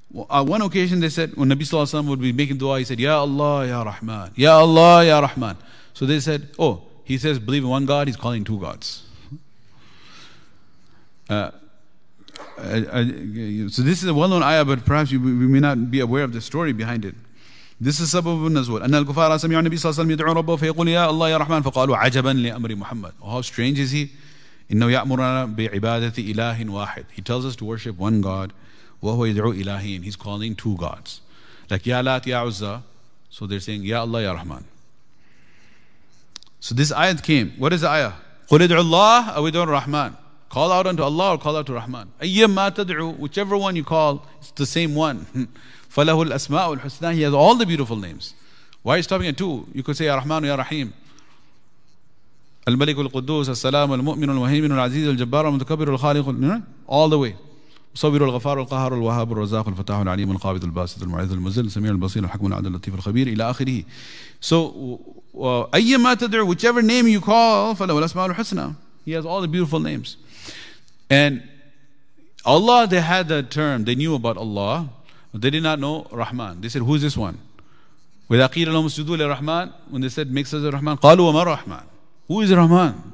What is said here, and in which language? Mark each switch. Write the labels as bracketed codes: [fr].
[en] On one occasion they said, when Nabi Sallallahu Alaihi Wasallam would be making dua, he said, Ya Allah, Ya Rahman, Ya Allah, Ya Rahman. So they said, oh, he says, believe in one God, he's calling two gods. So this is a well-known ayah, but perhaps we may not be aware of the story behind it. This is Sabab al-Nazwar. [ar] أَنَّ الْكُفَارَ سَمِعُ النَّبِي صَلَّى اللَّهُ عَلَيْهِ وَسَلَّمَ يَدْعُو رَبَّهُ فَيَقُولُ يَا اللَّهُ يَا رَحْمَنُ فَقَالُوا عَجَبًا لِأَمْرِ مُحَمَّدٍ [en] Oh, how strange is he? [ar] إِنَّهُ يَأْمُرُنَا بِعِبَادَةِ إِلَٰهٍ وَاحِدٍ [en] He tells us to worship one God. [ar] وَهُوَ يَدْعُو إِلَٰهِينَ [en] He's calling two gods. Like, [ar] يَا لَاتْ يَا عُزَّى [en] So they're saying, [ar] يَا اللَّهُ يَا رَحْمَنُ [en] So this ayat came. What is the ayah? [ar] قُلْ ادْعُوا اللَّهَ أَوْ ادْعُوا الرَّحْمَنَ [en] Call out unto Allah or call out to Rahman. [ar] أَيَّمَّا تَدْعُوا [en] Whichever one you call, it's the same one. [ar] فَلَهُ الْأَسْمَاءُ الْحُسْنَى [en] He has all the beautiful names. Why are you stopping at two? You could say, [ar] يَا رَحْمَنُ يَا رَحِيمُ الْمَلِكُ الْقُدُّوسُ السَّلَامُ الْمُؤْمِنُ الْمُهَيْمِنُ الْعَزِيزُ الْجَبَّارُ الْمُتَكَبِّرُ الْخَالِقُ [en] All the way. [ar] صبر الغفار القهار الوهاب الرزاق الفتاح العليم القابض الباسط المعز المذل السميع البصير الحكم العدل اللطيف الخبير إلى آخره. [en] So [ar] أيما تدعو [en] whichever name you call [ar] فلو الأسماء الحسنى [en] He has all the beautiful names. And Allah, they had that term, they knew about Allah, but they did not know Rahman. They said, who is this one? [ar] وإذا قيل لهم اسجدوا لرحمن [en] when they said make sajda Rahman [ar] قالوا وما الرحمن [en] Who is Rahman?